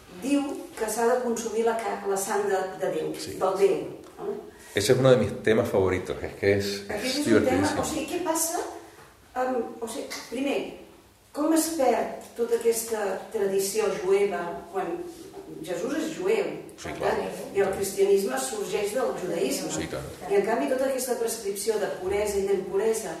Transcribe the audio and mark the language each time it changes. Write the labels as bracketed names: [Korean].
[Catalan] Diu que s'ha de consumir la sang de Déu, sí. Del Déu. [Spanish] Ese es uno de mis temas favoritos, es que es divertidísimo. [Catalan] O sigui, què passa amb, o sigui, primer, com es perd tota aquesta tradició jueva quan Jesús és jueu, sí, clar. I el cristianisme sorgeix del judaïsme. Sí, i en canvi tota aquesta prescripció de puresa i d'impuresa